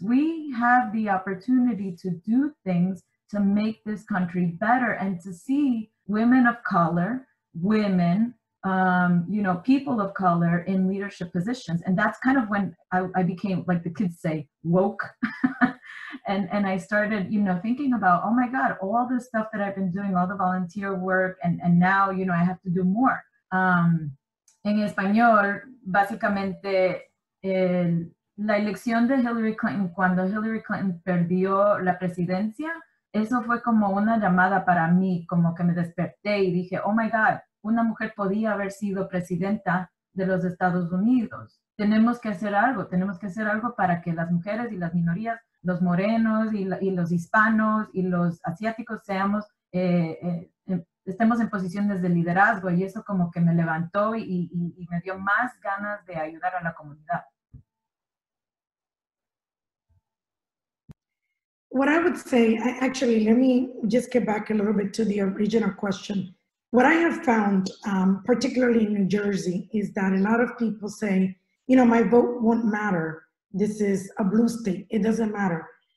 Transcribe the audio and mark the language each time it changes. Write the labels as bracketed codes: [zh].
[en] We have the opportunity to do things to make this country better and to see women of color, women, you know, people of color in leadership positions. And that's kind of when I became, like the kids say, woke. and I started, you know, thinking about, oh my God, all the stuff that I've been doing, all the volunteer work, and now, you know, I have to do more. [es] En español, básicamente, la elección de Hillary Clinton, cuando Hillary Clinton perdió la presidencia, eso fue como una llamada para mí, como que me desperté y dije, [en] oh my God, [es] una mujer podía haber sido presidenta de los Estados Unidos. Tenemos que hacer algo para que las mujeres y las minorías, los morenos y los hispanos y los asiáticos seamos, estemos en posiciones de liderazgo. Y eso como que me levantó y me dio más ganas de ayudar a la comunidad. [en] What I would say, actually, let me just get back a little bit to the original question. What I have found, particularly in New Jersey, is that a lot of people say, you know, my vote won't matter. This is a blue state. It doesn't matter.